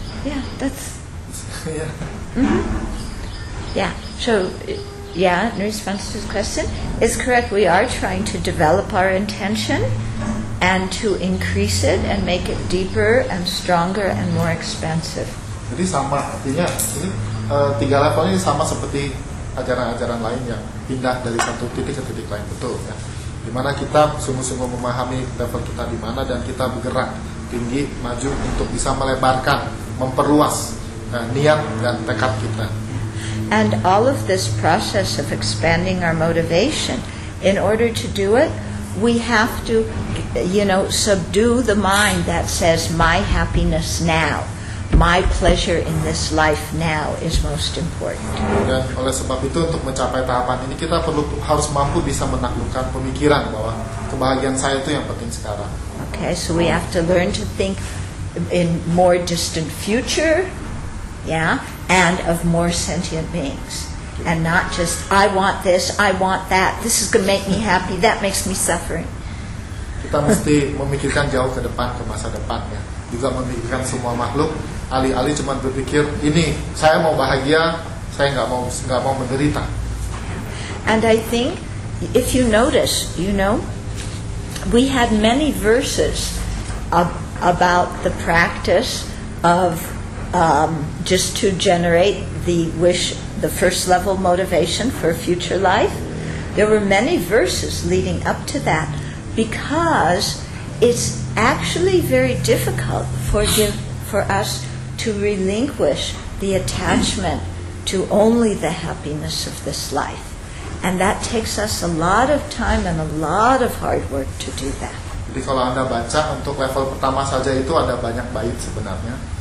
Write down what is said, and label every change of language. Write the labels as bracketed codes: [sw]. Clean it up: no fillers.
[en] Yeah. That's. Yeah. Mm-hmm. Yeah. So. Yeah. In response to the question, it's correct. We are trying to develop our intention, and to increase it and make it deeper and stronger and more expansive. [id] Jadi sama artinya ini tiga level ini sama seperti ajaran-ajaran lain yang pindah dari satu titik ke titik lain, betul ya. Dimana kita sungguh-sungguh memahami level kita di mana dan kita bergerak tinggi maju untuk bisa melebarkan, memperluas niat dan tekad kita. [en] And all of this process of expanding our motivation, in order to do it, we have to, you know, subdue the mind that says my happiness now, my pleasure in this life now is most important. [id] Dan oleh sebab itu untuk mencapai tahapan ini kita perlu harus mampu bisa menaklukkan pemikiran bahwa kebahagiaan saya itu yang penting sekarang. [en] Okay, so we have to learn to think in more distant future, yeah, and of more sentient beings. And not just I want this, I want that. This is going to make me happy. That makes me suffering. [id] Kita mesti memikirkan jauh ke depan, ke masa depan, ya. Juga memikirkan semua makhluk. Alih-alih cuma berpikir ini, saya mau bahagia, saya enggak mau menderita. [en] And I think if you notice, you know, we had many verses about the practice of just to generate the wish, the first level motivation for a future life. There were many verses leading up to that because it's actually very difficult for us to relinquish the attachment to only the happiness of this life. And that takes us a lot of time and a lot of hard work to do that. [id] Jadi kalau Anda baca untuk level pertama saja itu ada banyak bait sebenarnya.